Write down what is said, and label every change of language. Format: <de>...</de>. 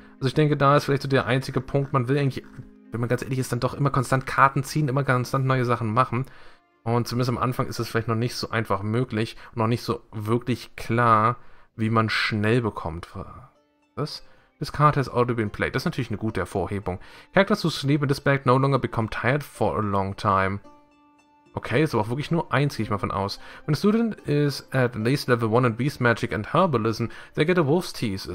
<de>Also ich denke, da ist vielleicht so der einzige Punkt, man will eigentlich, wenn man ganz ehrlich ist, dann doch immer konstant Karten ziehen, immer konstant neue Sachen machen. Und zumindest am Anfang ist es vielleicht noch nicht so einfach möglich und noch nicht so wirklich klar, wie man schnell bekommt. Was?</de> <en>This card has already been played.</en> <de>Das ist natürlich eine gute Hervorhebung.</de> <en>Characters who sleep in this bag no longer become tired for a long time.</en> <de>Okay, ist aber auch wirklich nur eins, gehe ich mal von aus.</de> <en>When a student is at least level 1 in Beast Magic and Herbalism, they get a wolf's teeth.</en>